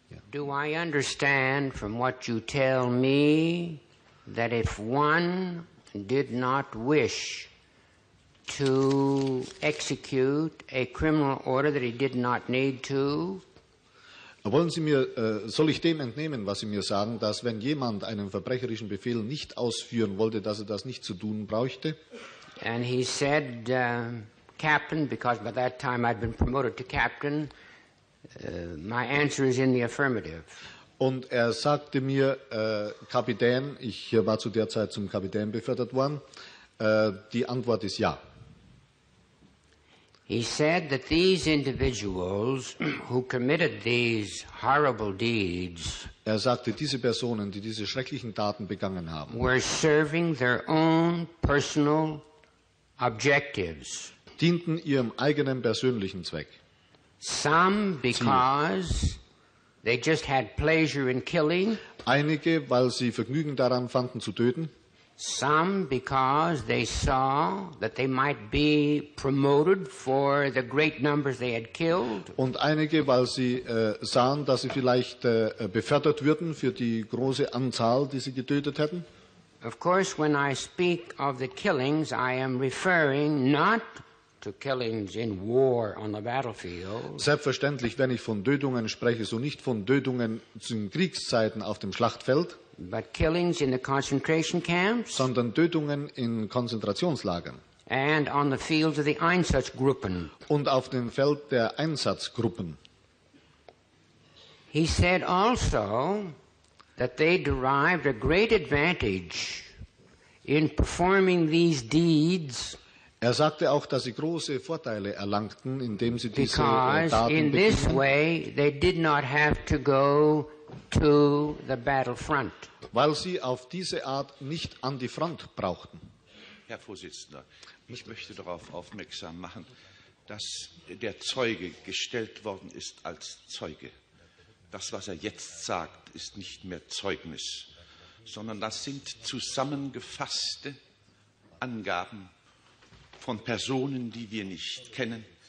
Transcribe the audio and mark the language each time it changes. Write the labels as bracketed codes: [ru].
[en] do I understand from what you tell me that if one did not wish to execute a criminal order that he did not need to? [de] Wollen Sie mir, soll ich dem entnehmen, was Sie mir sagen, dass wenn jemand einen verbrecherischen Befehl nicht ausführen wollte, dass er das nicht zu tun brauchte? [en] And he said, Captain, because by that time I'd been promoted to Captain, my answer is in the affirmative. [de] Und sagte mir, Kapitän, ich war zu der Zeit zum Kapitän befördert worden, die Antwort ist ja. [en] He said that these individuals who committed these horrible deeds, [de] sagte, diese Personen, die diese schrecklichen Taten begangen haben, [en] were serving their own personal objectives. [de] Dienten ihrem eigenen persönlichen Zweck. [en] Some because they just had pleasure in killing. [de] Einige, weil sie Vergnügen daran fanden zu töten. [en] Some because they saw that they might be promoted for the great numbers they had killed. [de] Und einige, weil sie sahen, dass sie vielleicht befördert würden für die große Anzahl, die sie getötet hätten. [en] Of course, when I speak of the killings, I am referring not to killings in war on the battlefield. [de] Selbstverständlich, wenn ich von Tötungen spreche, so nicht von Tötungen zu Kriegszeiten auf dem Schlachtfeld, [en] but killings in the concentration camps, [de] sondern Tötungen in Konzentrationslagern. [en] And on the fields of the Einsatzgruppen. [de] Und auf dem Feld der Einsatzgruppen. [en] He said also that they derived a great advantage in performing these deeds. [de] Er sagte auch, dass sie große Vorteile erlangten, indem sie diese Taten begingen. [en] Because in this way they did not have to go to the battle front. [de] Weil sie auf diese Art nicht an die Front brauchten. Herr Vorsitzender, ich möchte darauf aufmerksam machen, dass der Zeuge gestellt worden ist als Zeuge. Das, was er jetzt sagt, ist nicht mehr Zeugnis, sondern das sind zusammengefasste Angaben von Personen, die wir nicht kennen.